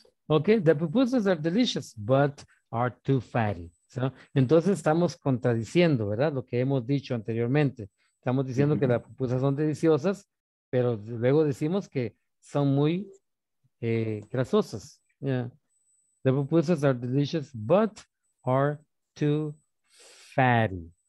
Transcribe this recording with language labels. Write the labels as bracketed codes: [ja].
[en] Okay, the pupusas are delicious, but are too fatty. [es] So, entonces estamos contradiciendo, ¿verdad? Lo que hemos dicho anteriormente. Estamos diciendo mm-hmm. que las pupusas son deliciosas, pero luego decimos que son muy. Grasosas, yeah. [en] The pupusas are delicious, but are too fatty.